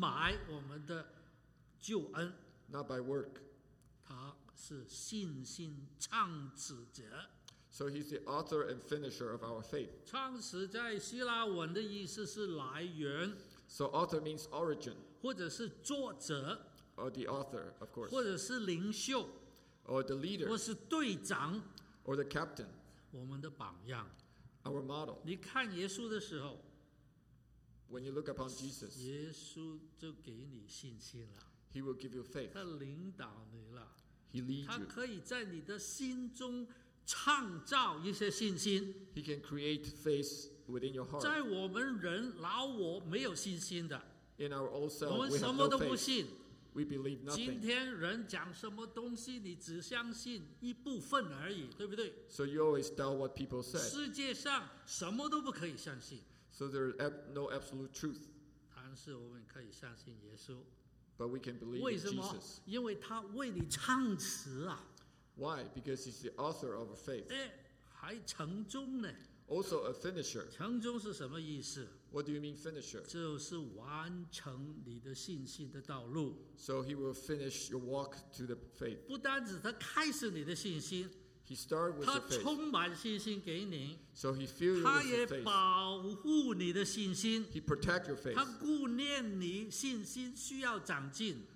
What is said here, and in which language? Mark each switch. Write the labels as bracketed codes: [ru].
[zh] 不是靠我们用什么方法去买我们的救恩, [en] Not by work. [zh] 他是信心创始者。 [en] So he's the author and finisher of our faith. [zh] 创始在希腊文的意思是来源。 [en] So author means origin. [zh] 或者是作者, [en] or the author, of course. [zh] 或者是领袖, [en] or the leader. [zh] 或是队长, [en] or the captain. [zh] 我们的榜样, [en] our model. [zh] 你看耶稣的时候, [en] when you look upon Jesus, [zh] 耶稣就给你信心了, [en] he will give you faith. [zh] 他领导你了, [en] he leads you. [zh] 他可以在你的心中创造一些信心, [en] he can create faith. Within your heart. [zh] 在我们人老我没有信心的, [en] in our old self, we have no faith. we believe nothing. [zh] 今天人讲什么东西，你只相信一部分而已， 对不对？ [en] So you always doubt what people say. [zh] 世界上什么都不可以相信。 [en] So there is no absolute truth. [zh] 但是我们可以相信耶稣。 [en] But we can believe in Jesus. [zh] 因为他为你唱词啊。 [en] Why? Because he's the author of faith. [zh] 还成终呢。 [en] Also a finisher. [zh] 成终是什么意思？ [en] What do you mean finisher? [zh] 就是完成你的信心的道路。 [en] So he will finish your walk to the faith. [zh] 不单止他开始你的信心。 [en] He started with the faith. [zh] 他充满信心给你。 [en] So he filled you with the faith. [zh] 他也保护你的信心。 [en] He protect your faith. [zh] 他顾念你信心需要长进。